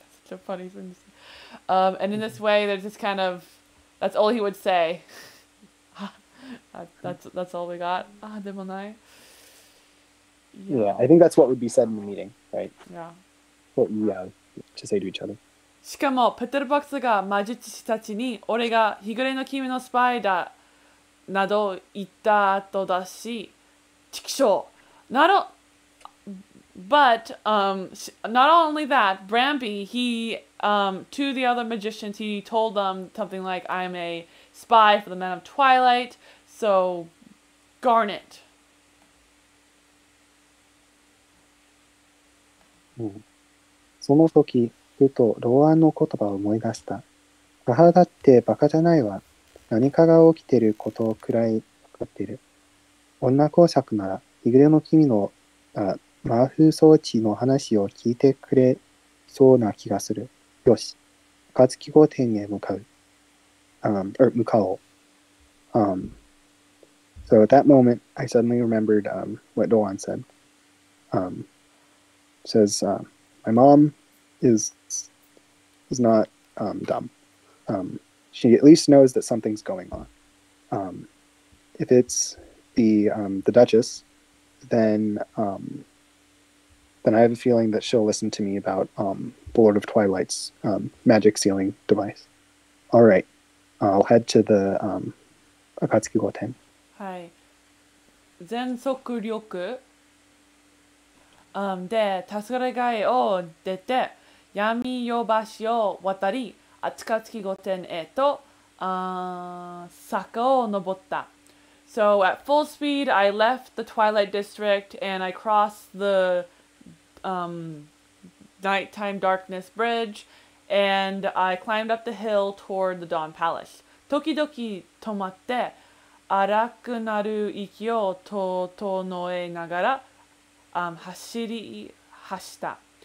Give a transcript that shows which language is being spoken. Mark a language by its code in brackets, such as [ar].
[en] a funny thing to say. And in this way, there's this kind of, that's all he would say. that's all we got. Ah, demonai. Yeah, I think that's what would be said in the meeting, right? Yeah. What we have to say to each other. [ja] しかも、ペテルボックスが魔術師たちに、俺が日暮れの君のスパイだなど言った後だし、チキショー。 [en] Not all, but, not only that, Bramby, he, to the other magicians, he told them something like, I'm a spy for the Men of Twilight, so Garnet. [ja] うん、その時ふとローアンの言葉を思い出した。母だってバカじゃないわ。何かが起きてることくらい分かってる。女公爵なら日暮れの君の魔風装置の話を聞いてくれそうな気がする。よし、暁号店へ向かう、向かおう。 [en] So at that moment I suddenly remembered what Doan said. Says, my mom is not dumb. She at least knows that something's going on. If it's the Duchess, then I have a feeling that she'll listen to me about the Lord of Twilight's magic sealing device. All right, I'll head to the Akatsuki Goten. [ja] Hi. Zensoku ryoku. で、黄昏街を出て闇夜橋を渡り、暁御殿へと坂を登った。 [en] So at full speed, I left the Twilight District and I crossed the nighttime darkness bridge and I climbed up the hill toward the Dawn Palace. [ja] 時々止まって荒くなる息を整えながら走り走った。